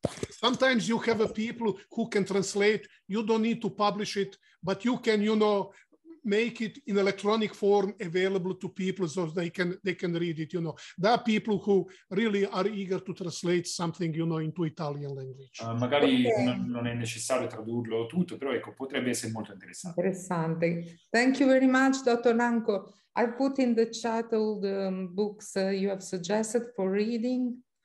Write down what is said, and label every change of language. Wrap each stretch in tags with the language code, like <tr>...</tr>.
<en>Sometimes you have a people who can translate. You don't need to publish it, but you can, you know, make it in electronic form available to people so they can read it, you know. There are people who really are eager to translate something, you know, into Italian language.</en> <it>Magari okay. Non è necessario tradurlo tutto, però ecco, potrebbe essere molto interessante.</it> <en>Interessante. Thank you very much, Dr. Ranko. I put in the chat all the books you have suggested for reading.</en>